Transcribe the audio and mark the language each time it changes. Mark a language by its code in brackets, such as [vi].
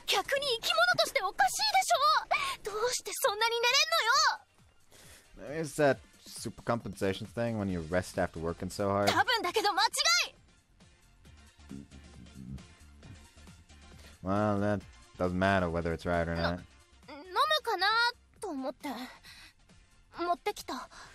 [ja] 逆に生き物としておかしいでしょ。どうしてそんなに寝れんのよ。 [en] Is that super compensation thing when you rest after working so hard? [ja] 多分だけど間違い。 [en] Well, that doesn't matter whether it's right or not. [ja] 飲むかなと思って持ってきた。